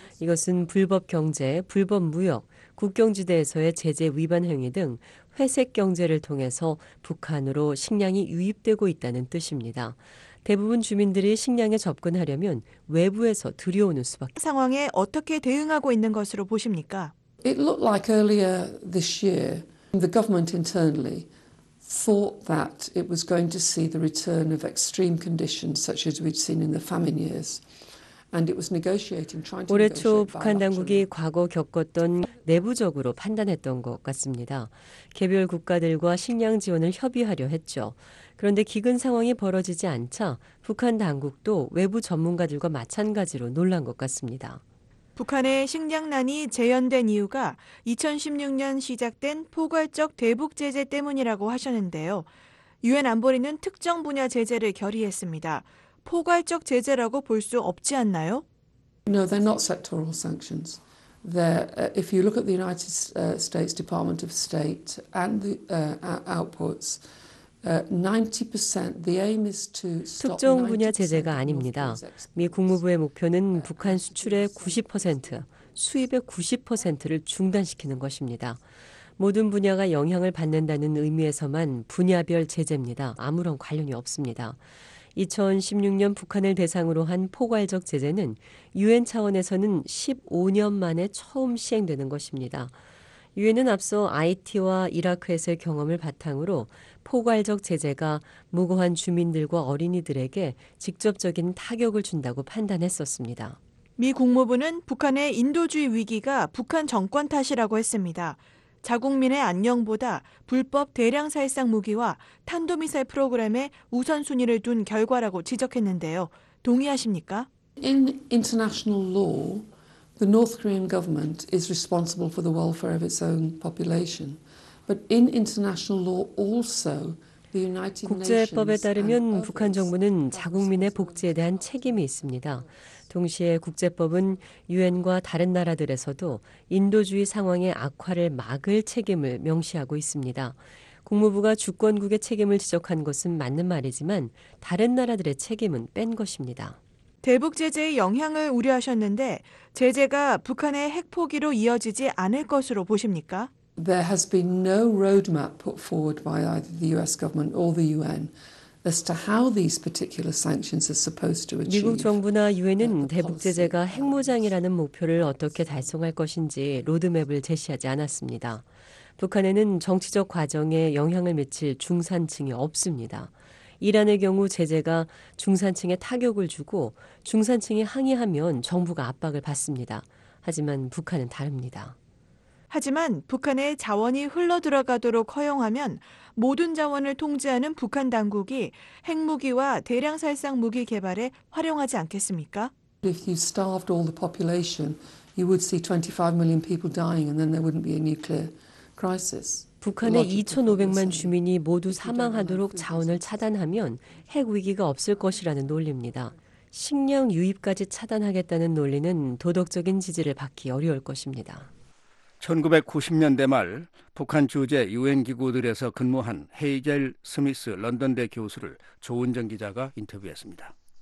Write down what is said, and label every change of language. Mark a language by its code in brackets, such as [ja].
[ko] 이것은 불법 경제, 불법 무역, 국경지대에서의 제재 위반 행위 등 회색 경제를 통해서 북한으로 식량이 유입되고 있다는 뜻입니다. 대부분 주민들이 식량에 접근하려면 외부에서 들여오는 수밖에. 상황에 어떻게 대응하고 있는 것으로 보십니까? [en] It looked like earlier this year, the government internally thought that it was going to see the return of extreme conditions such as we'd seen in the famine years. [ko] 올해 초 북한 당국이 과거 겪었던 내부적으로 판단했던 것 같습니다. 개별 국가들과 식량 지원을 협의하려 했죠. 그런데 기근 상황이 벌어지지 않자 북한 당국도 외부 전문가들과 마찬가지로 놀란 것 같습니다. 북한의 식량난이 재현된 이유가 2016년 시작된 포괄적 대북 제재 때문이라고 하셨는데요. 유엔 안보리는 특정 분야 제재를 결의했습니다. 포괄적 제재라고 볼 수 없지 않나요? [en] No, they're not sectoral sanctions. If you look at the United States Department of State and the outputs, 90% the aim is to stop. [ko] 특정 분야 제재가 아닙니다. 미 국무부의 목표는 북한 수출의 90%, 수입의 90%를 중단시키는 것입니다. 모든 분야가 영향을 받는다는 의미에서만 분야별 제재입니다. 아무런 관련이 없습니다. 2016년 북한을 대상으로 한 포괄적 제재는 유엔 차원에서는 15년 만에 처음 시행되는 것입니다. 유엔은 앞서 아이티와 이라크에서의 경험을 바탕으로 포괄적 제재가 무고한 주민들과 어린이들에게 직접적인 타격을 준다고 판단했었습니다. 미 국무부는 북한의 인도주의 위기가 북한 정권 탓이라고 했습니다. 자국민의 안녕보다 불법 대량 살상 무기와 탄도미사일 프로그램에 우선순위를 둔 결과라고 지적했는데요. 동의하십니까? [en] In international law, the North Korean government is responsible for the welfare of its own population. But in international law also, the United Nations. [ko] 국제법에 따르면 북한 정부는 자국민의 복지에 대한 책임이 있습니다. 동시에 국제법은 유엔과 다른 나라들에서도 인도주의 상황의 악화를 막을 책임을 명시하고 있습니다. 국무부가 주권국의 책임을 지적한 것은 맞는 말이지만 다른 나라들의 책임은 뺀 것입니다. 대북 제재의 영향을 우려하셨는데 제재가 북한의 핵포기로 이어지지 않을 것으로 보십니까? [en] There has been no roadmap put forward by either the US government or the UN. As to how these particular sanctions are supposed to achieve. [ko] 미국 정부나 유엔은 대북 제재가 핵무장이라는 목표를 어떻게 달성할 것인지 로드맵을 제시하지 않았습니다. 북한에는 정치적 과정에 영향을 미칠 중산층이 없습니다. 이란의 경우 제재가 중산층에 타격을 주고 중산층이 항의하면 정부가 압박을 받습니다. 하지만 북한은 다릅니다. 하지만 북한의 자원이 흘러들어가도록 허용하면 모든 자원을 통제하는 북한 당국이 핵무기와 대량 살상 무기 개발에 활용하지 않겠습니까? [en] If you starved all the population, you would see 25 million people dying and then there wouldn't be a nuclear crisis. [ko] 북한의 2,500만 주민이 모두 사망하도록 자원을 차단하면 핵 위기가 없을 것이라는 논리입니다. 식량 유입까지 차단하겠다는 논리는 도덕적인 지지를 받기 어려울 것입니다. 1990년대 말 북한 주재 유엔기구들에서 근무한 헤이젤 스미스 런던대 교수를 조은정 기자가 인터뷰했습니다.